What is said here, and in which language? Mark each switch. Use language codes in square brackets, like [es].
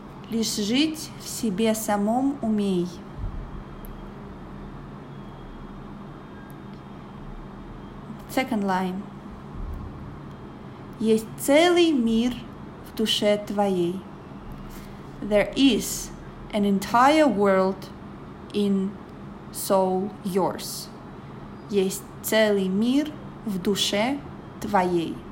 [ru] Лишь жить в себе самом умей. [en] Second line. [ru] Есть целый мир в душе твоей. [en] There is an entire world in soul yours. [ru] Есть целый мир в душе твоей.